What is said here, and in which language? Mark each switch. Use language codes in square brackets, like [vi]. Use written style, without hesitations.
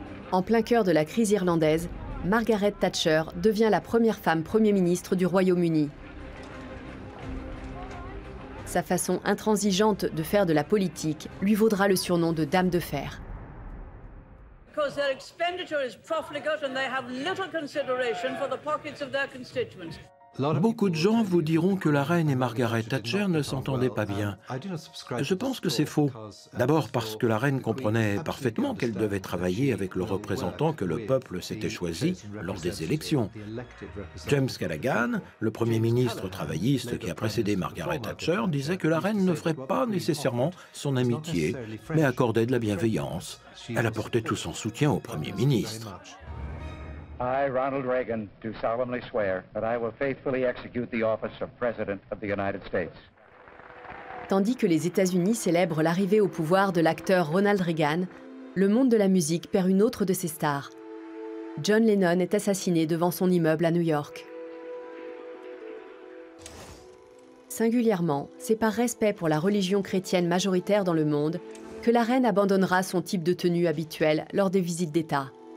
[fr] En plein cœur de la crise irlandaise, Margaret Thatcher devient la première femme Premier ministre du Royaume-Uni. Sa façon intransigeante de faire de la politique lui vaudra le surnom de Dame de Fer. [en] Because their expenditure is profligate and they have little consideration for the pockets of their constituents. [fr] Beaucoup de gens vous diront que la reine et Margaret Thatcher ne s'entendaient pas bien. Je pense que c'est faux. D'abord parce que la reine comprenait parfaitement qu'elle devait travailler avec le représentant que le peuple s'était choisi lors des élections. James Callaghan, le premier ministre travailliste qui a précédé Margaret Thatcher, disait que la reine ne ferait pas nécessairement son amitié, mais accordait de la bienveillance. Elle apportait tout son soutien au premier ministre. [en] I, Ronald Reagan, do solemnly swear that I will faithfully execute the office of President of the United States. [fr] Tandis que les États-Unis célèbrent l'arrivée au pouvoir de l'acteur Ronald Reagan, le monde de la musique perd une autre de ses stars. John Lennon est assassiné devant son immeuble à New York. Singulièrement, c'est par respect pour la religion chrétienne majoritaire dans le monde que la reine abandonnera son type de tenue habituelle lors des visites d'État.